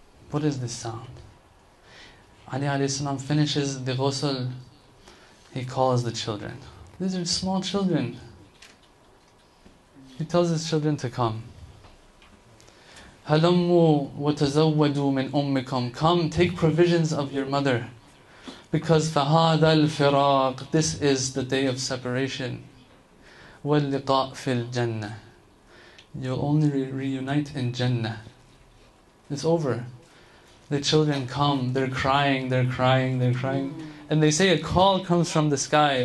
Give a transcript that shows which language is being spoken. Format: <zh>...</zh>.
<en>What is this sound? Ali alayhi salam finishes the ghusl, he calls the children. These are small children. He tells his children to come.</en> <ar>هَلَمُّوا وَتَزَوَّدُوا مِنْ أُمِّكُمْ.</ar> <en>Come, take provisions of your mother.</en> <ar>Because فَهَذَا الْفِرَاقِ.</ar> <en>This is the day of separation.</en> <ar>وَاللِّقَاءُ فِي الْجَنَّةِ.</ar> <en>You'll only reunite in Jannah. It's over. The children come, they're crying. And they say a call comes from the sky.</en>